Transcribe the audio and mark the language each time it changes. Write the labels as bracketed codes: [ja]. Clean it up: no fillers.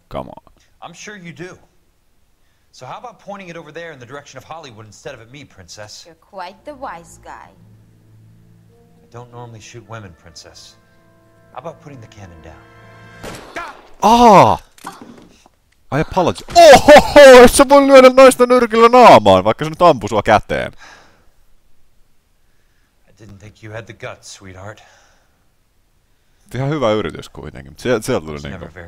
[en] Come on. I'm sure you do. So how about pointing it over there in the direction of Hollywood instead of at me, princess? You're quite the wise guy. I don't normally shoot women, princess. How about putting the cannon down? Ah! I apologize. Ohoho! [fi] Et sä voi lyödä naista nyrkillä naamaan, vaikka se nyt ampui sua käteen. [en] I didn't think you had the guts, sweetheart. [fi] Ihan hyvä yritys kuitenkin, mutta sieltä tuli niinku...